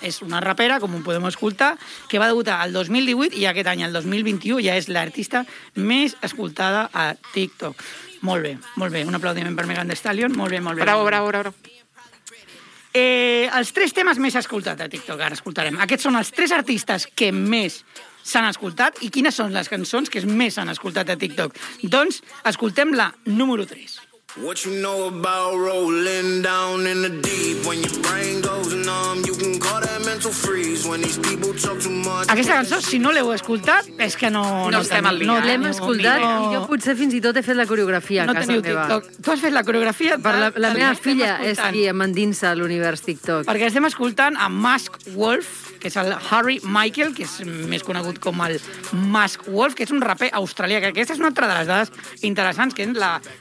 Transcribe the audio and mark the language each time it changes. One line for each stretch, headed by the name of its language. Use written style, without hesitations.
Catalan: És una rapera, com ho podem escoltar, que va debutar el 2018 i aquest any, el 2021, ja és l'artista més escoltada a TikTok. Molt bé, molt bé. Un aplaudiment per Megan Thee Stallion. Molt bé, molt bé. Bravo, bravo, bravo. Els tres temes més escoltats a TikTok, ara escoltarem. Aquests són els tres artistes que més s'han escoltat i quines són les cançons que més s'han escoltat a TikTok. Doncs escoltem la número 3.
English: What you know about rolling down in the deep when your brain goes numb, you can call that mental freeze when these people talk too much.
Catalan: Aquesta cançó, si no l'heu escoltat, és que no estem al dia. No l'hem escoltat i jo potser fins i tot he fet la coreografia a casa meva. Tu has fet la coreografia? La meva filla és qui m'endinsa a l'univers TikTok. Perquè estem escoltant a Mask Wolf, que és el Harry Michael, que és més conegut com el Mask Wolf, que és un raper australià, que aquesta és una altra de les dades interessants, que és la...